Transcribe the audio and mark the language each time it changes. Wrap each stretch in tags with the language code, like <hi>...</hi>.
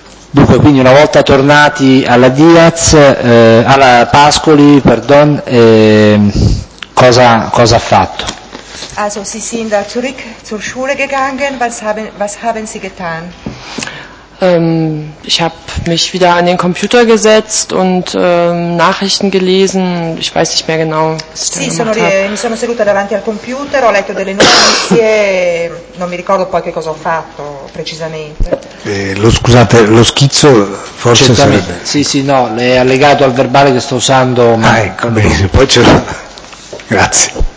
<it>Dunque, quindi una volta tornati alla Diaz, alla Pascoli, perdon, cosa ha fatto?</it> <de>Also, Sie sind da zurück zur Schule gegangen. Was haben Sie getan? Ich habe mich wieder an den Computer gesetzt und Nachrichten gelesen. Ich weiß nicht mehr genau, was ich da gemacht habe.</de> <it>Mi sono seduta davanti al computer, ho letto delle notizie, non mi ricordo poi che cosa ho fatto precisamente. Lo schizzo forse sarebbe. Sì, no, le è allegato al verbale che sto usando. Ah, ecco, bene, poi ce l'ho. Grazie.</it>